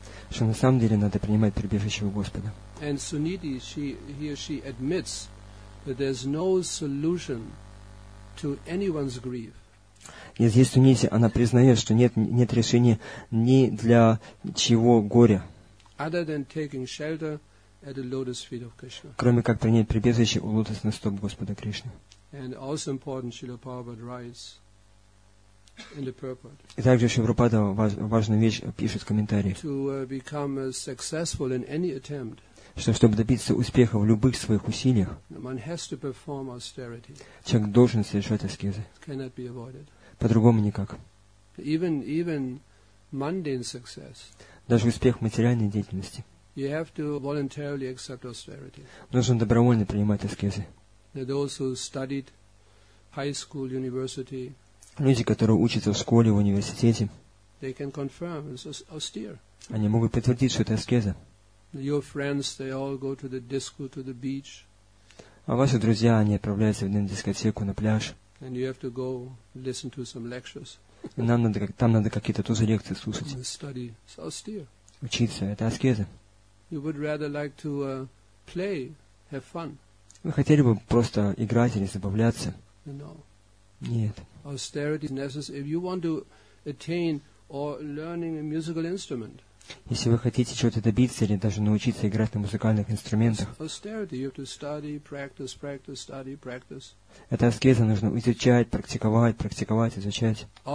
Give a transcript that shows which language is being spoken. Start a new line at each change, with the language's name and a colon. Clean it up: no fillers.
Russian: Что на самом деле надо принимать прибежище у Господа.
English: And Suniti, she admits that there's no solution to anyone's grief.
Russian: И здесь Суниti, она признает, что нет решения ни для чего горя.
English: Other than taking shelter at the lotus feet of Krishna.
Russian: Кроме как принять прибежище у лотосных стоп Господа Кришны.
English: And also important, Srila Prabhupada writes in the purport.
Russian: И также Шрила Прабхупада важную вещь пишет в комментарии.
English: To become successful in any attempt.
Russian: Чтобы добиться успеха в любых своих усилиях.
English: One has to perform austerity.
Russian: Человек должен совершать аскезы.
English: Cannot be avoided.
Russian: По-другому никак.
English: Even mundane success.
Russian: Даже успех материальной деятельности.
English: You have to voluntarily accept austerity.
Russian: Нужно добровольно принимать аскезы.
English: Those who studied high school, university.
Russian: Люди, которые учатся в школе, в университете.
English: They can confirm it's austere.
Russian: Они могут подтвердить, что это аскеза.
English: Your friends, they all go to the disco, to the beach.
Russian: А ваши друзья, они отправляются в дискотеку, на пляж.
English: And you have to go listen to some lectures.
Russian: Нам надо, там надо какие-то тоже лекции слушать.
English: And study. It's austere.
Russian: Учиться, это аскеза.
English: You would rather like to play, have fun.
Russian: Вы хотели бы просто играть или забавляться?
English: No.
Russian: Нет.
English: Austerity is necessary if you want to attain or learning a musical instrument.
Russian: Если вы хотите чего-то добиться или даже научиться играть на музыкальных инструментах, это аскеза, нужно изучать, практиковать, практиковать, изучать.